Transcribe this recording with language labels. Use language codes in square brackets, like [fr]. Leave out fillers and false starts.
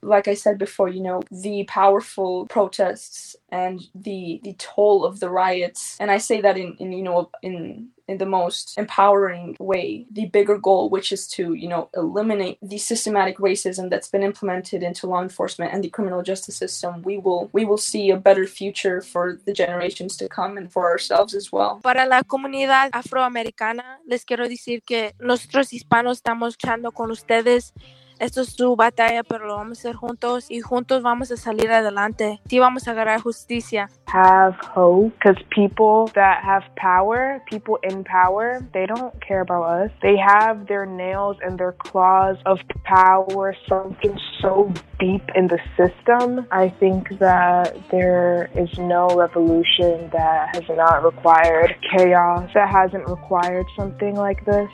[en] Like I said before, you know, the powerful protests and the toll of the riots, and I say that in the most empowering way, the bigger goal, which is to, you know, eliminate the systematic racism that's been implemented into law enforcement and the criminal justice system, we will see a better future for the generations to come and for ourselves as well. [es] Para la comunidad afroamericana, les quiero decir que nosotros hispanos estamos luchando con ustedes. Esto es su batalla, pero lo vamos a hacer juntos y juntos vamos a salir adelante. Sí, vamos a agarrar justicia. [en] Have hope, because people that have power, people in power, they don't care about us. They have their nails and their claws of power sunk so deep in the system. I think that there is no revolution that has not required chaos, that hasn't required something like this.